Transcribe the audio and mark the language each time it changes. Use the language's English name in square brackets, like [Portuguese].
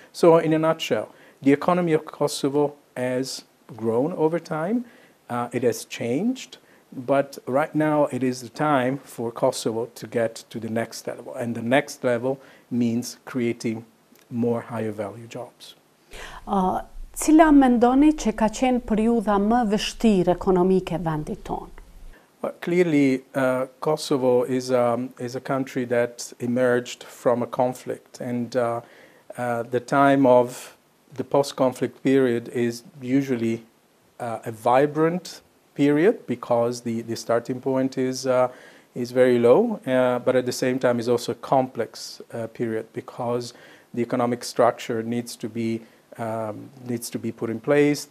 [English] So in a nutshell, the economy of Kosovo has grown over time. It has changed. But right now, it is the time for Kosovo to get to the next level. And the next level means creating more higher value jobs. [Albanian] Cila mendoni që ka qenë periudha më vështirë ekonomike vendit tonë? [English] Well, clearly, Kosovo is a country that emerged from a conflict. And the time of the post-conflict period is usually a vibrant period, because the starting point is very low, but at the same time is also a complex period, because the economic structure needs to be put in place.